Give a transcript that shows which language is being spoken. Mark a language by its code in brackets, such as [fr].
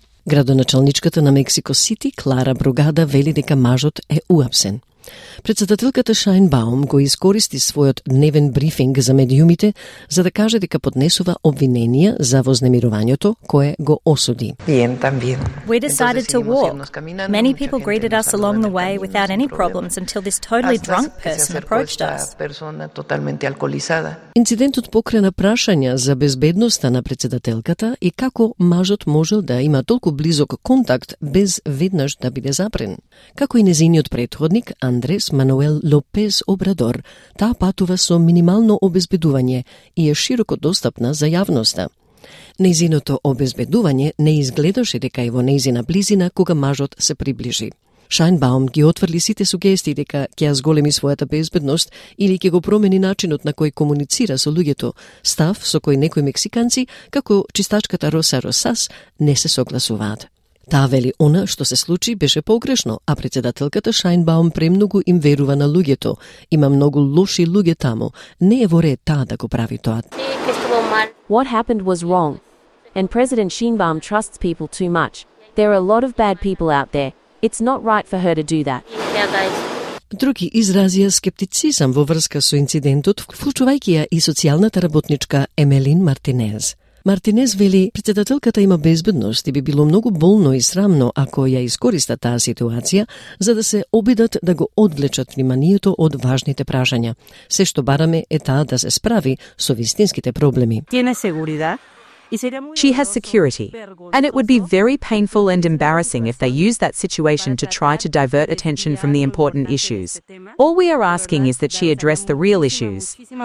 [mk] Градоначалничката на Мексико Сити, Клара Бругада, вели дека мажот е уапсен. Председателката Шајнбаум го искористи својот дневен брифинг за медиумите за да каже дека поднесува обвиненија за вознемирувањето кое го осуди. [en] We decided to walk. Many people greeted us along the way without any problems until this totally drunk person approached us. [mk] Инцидентот покрена прашања за безбедноста на председателката и како мажот можел да има толку близок контакт без веднаш да биде запрен. Како и незиниот претходник Андрес Мануел Лопес Обрадор, таа патува со минимално обезбедување и е широко достапна за јавноста. Незиното обезбедување не изгледаше дека е во нејзина близина кога мажот се приближи. Шајнбаум ги отврли сите сугестии дека ќе ја зголеми својата безбедност или ќе го промени начинот на кој комуницира со луѓето, став со кој некои мексиканци, како чистачката Роса Росас, не се согласуваат. Таа вели она што се случи беше погрешно, а председателката Шајнбаум премногу им верува на луѓето. Има многу лоши луѓе таму. Не е во ред таа да го прави тоа. [en] What happened was wrong. And President Шајнбаум trusts people too much. There are a lot of bad people out there. It's not right for her to do that. [mk] Други изразија скептицизам во врска со инцидентот, вклучувајќи ја и социјалната работничка Емелин Мартинез. Мартинез вели, председателката има безбедност и би било многу болно и срамно ако ја искористат таа ситуација за да се обидат да го одвлечат вниманието од важните прашања. Се што бараме е таа да се справи со вистинските проблеми. Тие несигуридад [en] She has security. And it would be very painful and embarrassing if they use that situation to try to divert attention from the important issues. All we are asking is that she address the real issues.